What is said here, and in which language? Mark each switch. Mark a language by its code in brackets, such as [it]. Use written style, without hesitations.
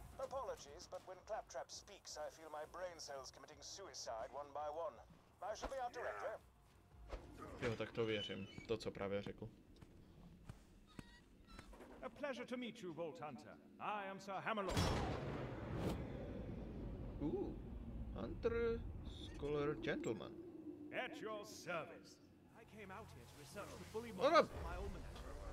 [en] Apologies, but when Claptrap speaks, I feel my brain cells committing suicide one by one. I shall be out directly. [cs] Jo, tak to věřím, to co právě řekl. [en] A pleasure to meet you, Vault Hunter. I am Sir Hammerlock. Hunter, scholar, gentleman. At your service. I came out here to research the fully my almanac.